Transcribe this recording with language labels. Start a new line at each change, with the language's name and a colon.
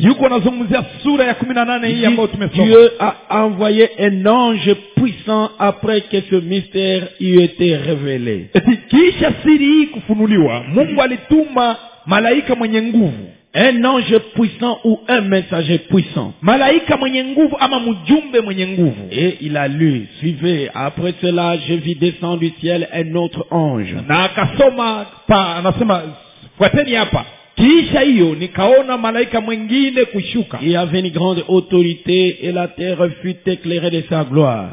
Swahili: Yuko anazungumzia sura ya 18 hii ambayo tumesoma.
French: Dieu a envoyé un ange puissant après que ce mystère y était révélé.
Swahili: Et kisha siri hii kufunuliwa, Mungu alituma malaika mwenye nguvu.
French: Un ange puissant ou un messager puissant.
Swahili: Malaika mwenye nguvu ama mjumbe mwenye nguvu.
French: Et il a lu, suivez, après cela je vis descendre du ciel un autre ange.
Swahili: Na akasoma, anasema, fuateni hapa. Kisha hiyo, nikaona malaika mwingine kushuka.
French: Il avait une grande autorité et la terre fut éclairée de sa gloire.